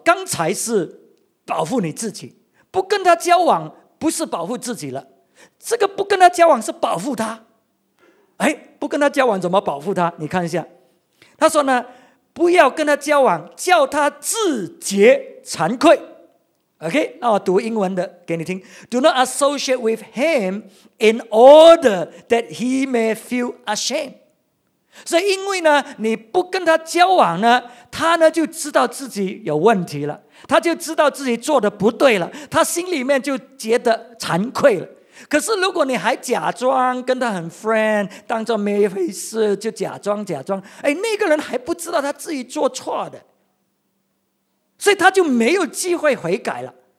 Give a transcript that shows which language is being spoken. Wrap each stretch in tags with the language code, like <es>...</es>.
<zh>刚才是保护你自己，不跟他交往不是保护自己了，这个不跟他交往是保护他。哎，不跟他交往怎么保护他？你看一下，他说呢，不要跟他交往，叫他自觉惭愧。 OK， 那我读英文的给你听。</zh> <en>Do not associate with him in order that he may feel ashamed。</en> <zh>所以因为呢你不跟他交往呢，他呢就知道自己有问题了，他就知道自己做的不对了，他心里面就觉得惭愧了。可是如果你还假装跟他很 friend， 当作没一回事，就假装，哎，那个人还不知道他自己做错的，所以他就没有机会悔改了。</zh>